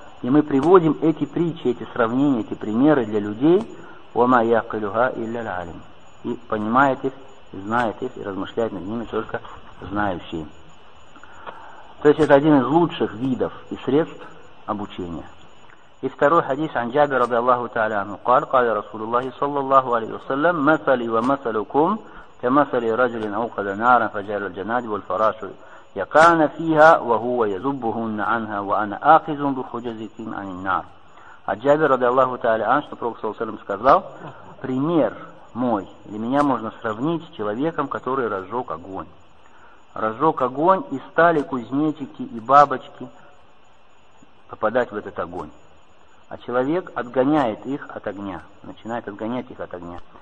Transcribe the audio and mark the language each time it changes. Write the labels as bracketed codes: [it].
[ru] И мы приводим эти притчи, эти сравнения, эти примеры для людей. [ar] «Ва ма яъкилюха илля аль-алим». [ru] И понимает их, и знает их, и размышляет над ними только знающие. То есть это один из лучших видов и средств обучения. И второй хадис [ar] عن جابر رضي الله تعالى عنه قال قال رسول الله صلى الله عليه وسلم مثلي ومثلكم كمثل رجل أوقد نارا فجعل الجنادب والفراش يقعن فيها وهو يذبهن عنها وأنا آخذ بحجزكم عن النار. [ru] عن جابر [ar] رضي الله تعالى عنه [ru] что пророк [ar] صلى الله عليه وسلم [ru] сказал: пример мой, для меня можно сравнить с человеком, который разжег огонь. Разжег огонь, и стали кузнечики и бабочки попадать в этот огонь. А человек отгоняет их от огня, начинает отгонять их от огня.